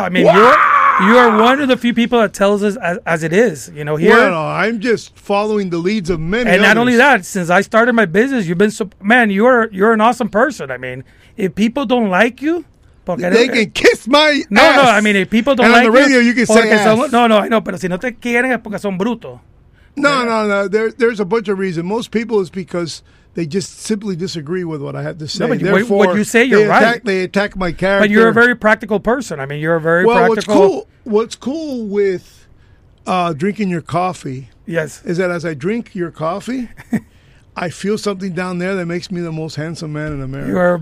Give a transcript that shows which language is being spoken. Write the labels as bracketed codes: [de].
[en] I mean, you are one of the few people that tells us as it is, you know, here. Well, I'm just following the leads of many And not only that, since I started my business, you've been... Man, you're an awesome person. I mean, if people don't like you... They can kiss my ass. No, I mean, if people don't like you... And on the radio, you can say ass. No, I know. [es] Pero si no te quieren es porque son brutos. [en] No. There's a bunch of reasons. Most people, it's because... They just simply disagree with what I have to say. No, but therefore, what you say, you're they attack, right. They attack my character. But you're a very practical person. I mean, you're a very practical. What's cool with drinking your coffee yes. is that as I drink your coffee, I feel something down there that makes me the most handsome man in America.